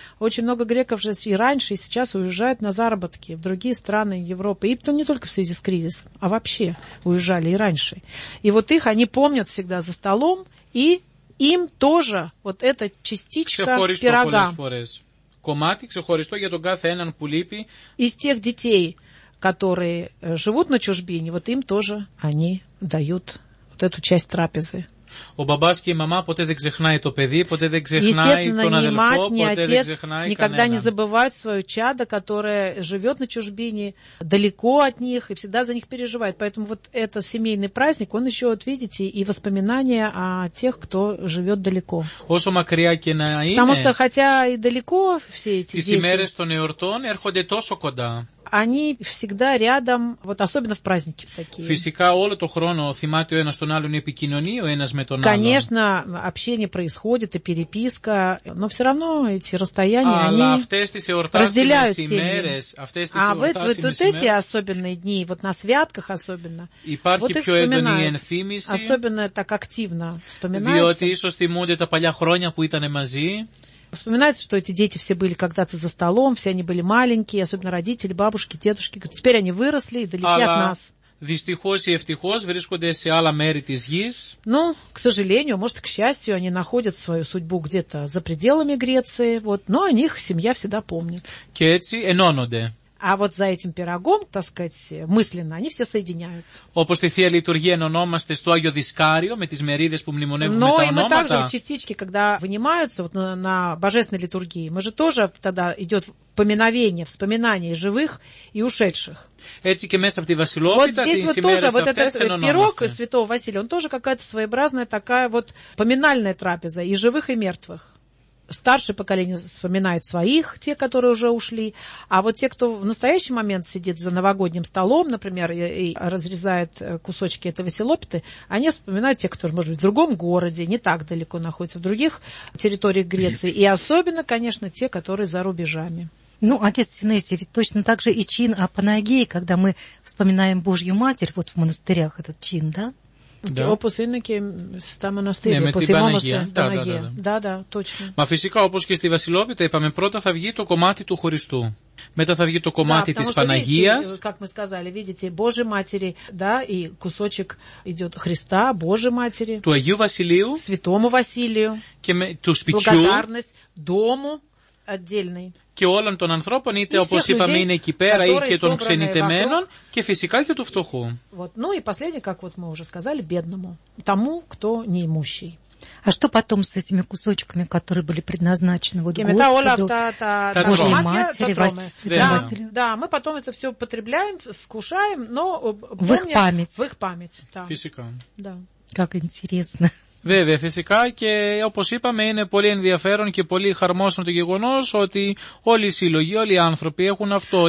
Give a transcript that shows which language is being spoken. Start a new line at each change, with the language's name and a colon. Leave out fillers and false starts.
Russian: Очень много греков же и раньше, и сейчас уезжают на заработки в другие страны Европы. И не только в связи с кризисом, а вообще уезжали и раньше. И вот их они помнят всегда за столом, и им тоже вот эта частичка пирога.
Greek: Комати ξεχωριστό για τον κάθε έναν που λείπει.
Russian: Из тех детей, которые живут на чужбине, вот им тоже они дают вот эту часть трапезы.
Greek: Ο μπαμπάς και η μαμά ποτέ δεν ξεχνάει το παιδί, ποτέ δεν ξεχνάει τον αδελφό, ποτέ δεν ξεχνάει κανένα.
Russian: Естественно, ни никогда не забывают свое чадо, которое живет на чужбине, далеко от них, и всегда за них переживает. Поэтому вот этот семейный праздник, он еще, вот видите, и воспоминания о тех, кто живет далеко.
Greek: Όσο μακριά και να είναι,
Russian: потому что хотя и далеко все эти дети,
Greek: τις ημέρες των εορτών έρχονται τόσο κοντά.
Russian: Они всегда рядом, вот особенно в праздники такие.
Greek: Физика, όλο το χρόνο θυμάται ο ένας τον άλλον, επικοινωνεί ο ένας με τον άλλον.
Russian: Конечно, общение происходит и переписка, но все равно эти расстояния, они разделяют семьи.
Greek: Ημέρες, αυτές τις
Russian: а вот эти особенные дни, вот на святках особенно,
Greek: υπάρχει
Russian: вот
Greek: πιο έντονη ενθύμηση,
Russian: особенно так активно вспоминается.
Greek: Διότι ίσως θυμούνται τα παλιά χρόνια που ήταν μαζί.
Russian: Вспоминается, что эти дети все были когда-то за столом, все они были маленькие, особенно родители, бабушки, дедушки. Теперь они выросли и далеки от нас.
Greek: Дистихос и ευτυχос βρίσκονται σε άλλα μέρη της γης.
Russian: Ну, к сожалению, может, к счастью, они находят свою судьбу где-то за пределами Греции, вот, но о них семья всегда помнит.
Greek: Και έτσι ενώνονται.
Russian: А вот за этим пирогом, так сказать, мысленно, они все соединяются.
Greek: Όπως στη Θεία Λειτουργία ενωνόμαστε στο Άγιο Δισκάριο με τις μερίδες που μνημονεύουμε
Russian: но
Greek: τα ονόματα.
Russian: Но и мы также в частичке, когда вынимаются вот, на Божественной Литургии, мы же тоже тогда идет поминовение, вспоминание живых и ушедших.
Greek: Έτσι και μέσα από τη Βασιλόπιτα,
Russian: вот здесь
Greek: τις
Russian: вот тоже вот этот пирог святого Василия, он тоже какая-то своеобразная такая вот поминальная трапеза и живых, и мертвых. Старшее поколение вспоминает своих, те, которые уже ушли. А вот те, кто в настоящий момент сидит за новогодним столом, например, и разрезает кусочки этой василопиты, они вспоминают те, кто, может быть, в другом городе, не так далеко находится, в других территориях Греции. И особенно, конечно, те, которые за рубежами. Ну, отец Синесий, ведь точно так же и чин Апанагеи, когда мы вспоминаем Божью Матерь, вот в монастырях этот чин, да? Да.
Greek: Όπως είναι και στα μοναστήρια, ναι, την Παναγία.
Russian: Да, точно.
Greek: Μα φυσικά, όπως και στη Βασιλόπιτα, είπαμε, πρώτα θα βγει το κομμάτι του Χριστού. Μετά θα βγει το κομμάτι της Παναγίας.
Russian: Как мы сказали, видите, Божьей Матери, да, и кусочек идет Христа, Божьей Матери.
Greek: Του Αγίου Βασιλείου.
Russian: Святому Василию.
Greek: Και με, του σπιτιού.
Russian: Благодарность дому. Отдельный.
Greek: Και όλων των ανθρώπων, είτε, όπως είπαμε,
Russian: людей,
Greek: είναι εκεί πέρα ή και των ξενιτεμένων
Russian: вокруг,
Greek: και φυσικά και του φτωχού.
Russian: Вот. Ну и последний, как вот мы уже сказали, бедному, тому, кто неимущий. А что потом с этими кусочками, которые были предназначены вот Господу, та, Божьей Матери, Матери Василию? Да, мы потом это все потребляем, вкушаем, но помним, в их память. В их память, да.
Greek: Фисика.
Russian: Да. Как интересно.
Greek: Βέβαια, φυσικά και όπως είπαμε είναι πολύ ενδιαφέρον και πολύ χαρμόσυνο το γεγονός ότι όλοι οι σύλλογοι, όλοι οι άνθρωποι έχουν αυτό.